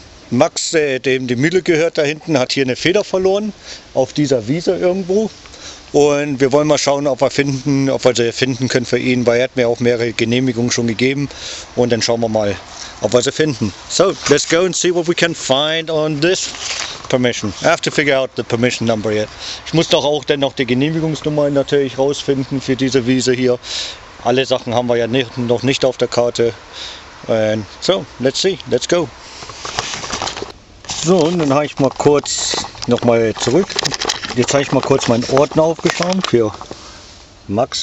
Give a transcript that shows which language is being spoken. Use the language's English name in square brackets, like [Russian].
[German] Max, dem die Mühle gehört da hinten, hat hier eine Feder verloren auf dieser Wiese irgendwo. Und wir wollen mal schauen, ob wir sie finden können für ihn, weil er hat mir auch mehrere Genehmigungen schon gegeben. Und dann schauen wir mal, ob wir sie finden. [English] So, let's go and see what we can find on this permission. I have to figure out the permission number yet. [German] Ich muss doch auch dann noch die Genehmigungsnummer natürlich rausfinden für diese Wiese hier. Alle Sachen haben wir ja nicht, noch nicht auf der Karte. [English] And so, let's see, let's go. [German] So, und dann habe ich mal kurz nochmal zurück. Jetzt habe ich mal kurz meinen Ordner aufgeschaut für Max.